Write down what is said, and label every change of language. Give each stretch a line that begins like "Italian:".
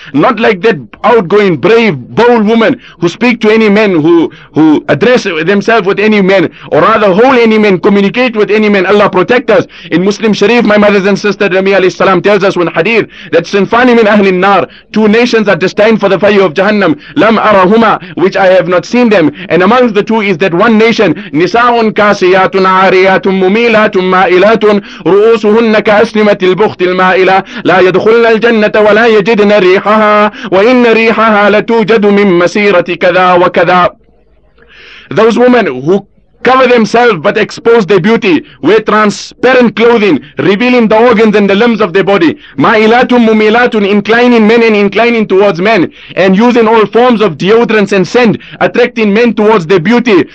English: Not like that outgoing, brave, bold woman who speak to any man, who address themselves with any man, or rather hold any man, communicate with any man. Allah protect us. In Muslim Sharif, my mothers and sisters, Rami alayhi salam tells us one hadith that Sinfani
Arabic: نَارَانِ مِنْ أَهْلِ النَّارِ.
English: Two nations are destined for the fire of Jahannam.
Arabic: لَمْ أَرَهُمَا,
English: which I have not seen them. And among the two is that one nation,
Arabic: نِسَاءٌ كَاسِيَاتٌ عَارِيَاتٌ مُمِيلَاتٌ مَائِلَاتٌ رُؤُوسُهُنَّ كَأَسْنِمَةِ الْبُخْتِ الْمَائِلَةِ لَا يَدْخُلْنَ الْجَنَّةَ وَلَا يَجِدْنَ رِيحَهَا وَإِنَّ رِيحَهَا لَتُوجَدُ مِنْ مَسِيرَةِ كَذَا وَكَذَا.
English: Those women who cover themselves but expose their beauty, wear transparent clothing, revealing the organs and the limbs of their body.
Arabic: Ma'ilatun mumilatun,
English: inclining men and inclining towards men, and using all forms of deodorants and scent, attracting men towards their beauty.